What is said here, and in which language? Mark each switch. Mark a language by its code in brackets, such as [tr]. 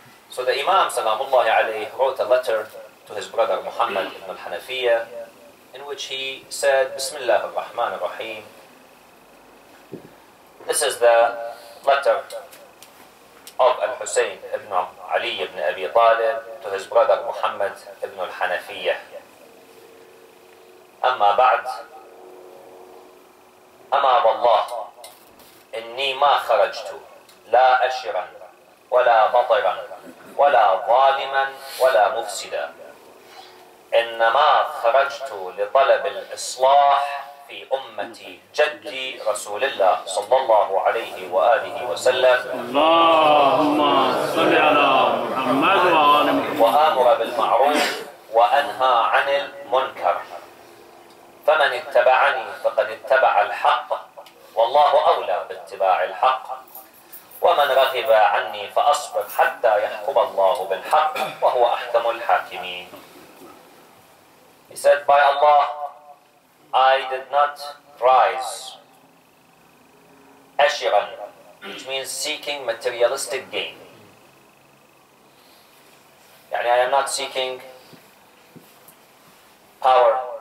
[en] So the Imam salamullahi alayhi wrote a letter to his brother Muhammad ibn al-Hanafiyya, in which he said, Bismillah ar-Rahman ar-Rahim. This is the letter of Al-Husayn ibn Ali ibn Abi Talib to his brother Muhammad ibn al-Hanafiyya. [ar] Amma ba'd, أما والله إني ما خرجت لا أشرا ولا بطرا ولا ظالما ولا مفسدا إنما خرجت لطلب الإصلاح في أمتي جدي رسول الله صلى الله عليه وآله وسلم اللهم صل على محمد وآل محمد وآمر بالمعروف وأنهى عن المنكر فمن اتبعني فقد اتبع الحق والله أولى باتباع الحق ومن رغب عني فأصبر حتى يحكم الله بالحق وهو أحكم الحاكمين. [en] He said, by Allah, I did not rise ashiran, which means seeking materialistic gain. [ar] يعني [en] I am not seeking power.